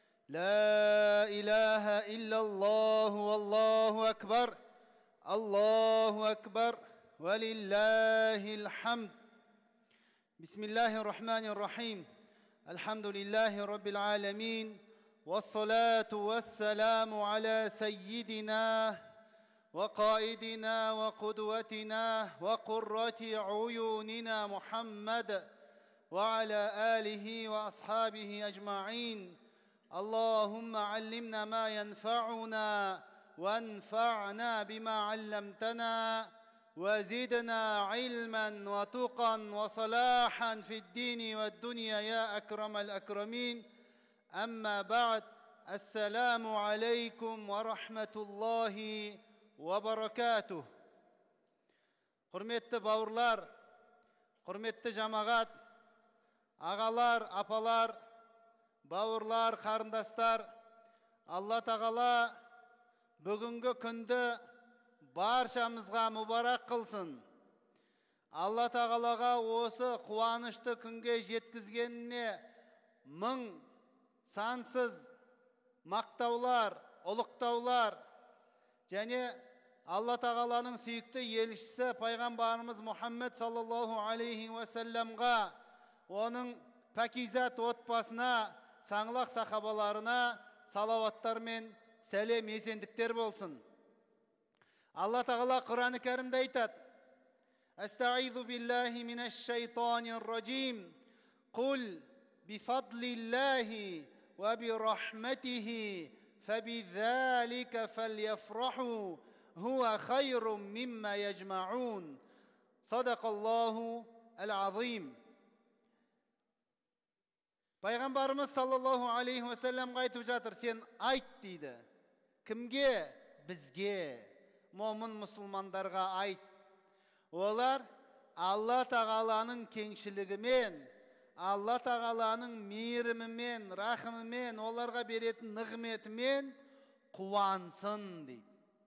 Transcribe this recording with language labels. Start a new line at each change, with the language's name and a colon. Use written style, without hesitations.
Arabic: Ла илаха илля Аллаху, Аллаху акбар! Аллаху акбар! Ва лиллахи лхамд! Бисмиллахи рахмани рахим! Алхамду лиллахи раббил аламин! والصلاة والسلام على سيدنا وقائدنا وقدوتنا وقرة عيوننا محمد وعلى آله وأصحابه أجمعين اللهم علمنا ما ينفعنا وانفعنا بما علمتنا وزدنا علما وتقا وصلاحا في الدين والدنيا يا أكرم الأكرمين أما بعد السلام عليكم ورحمة الله وبركاته.
Kazakh: құрметті бауырлар, құрметті жамағат, ағалар, апалар, бауырлар, қарындастар, Алла Тағала бүгінгі күнді баршамызға мұбарак қылсын. Алла Тағалаға осы қуанышты күнге жеткізгеніне мың сансыз мақтаулар, ұлықтаулар және Алла Тағаланың сүйікті елшісі пайғамбарымыз Мұхаммед саллаллаху алейхи ва саллямға, оның пәкизат отбасына, саңлақ сахабаларына салаваттар мен сәлем есендіктер болсын. Алла Тағала Құран-ы Кәрімде айтады:
Arabic: Астаъузу биллахи минаш шайтанир раджим. Қул бифадлиллахи وبرحمته فبذلك فليفرحوا هو خير مما يجمعون صدق الله العظيم.
Kazakh: Пайғамбарымыз саллаллаху алейхи ва саллямға айтып жатыр: сен айт дейді. Кімге? Бізге, момын мұсылмандарға айт. Олар Алла Тағаланың кеңшілігімен, Алла Тағаланың мейірімімен, рахымымен, оларға беретін нығметімен қуансын дейді.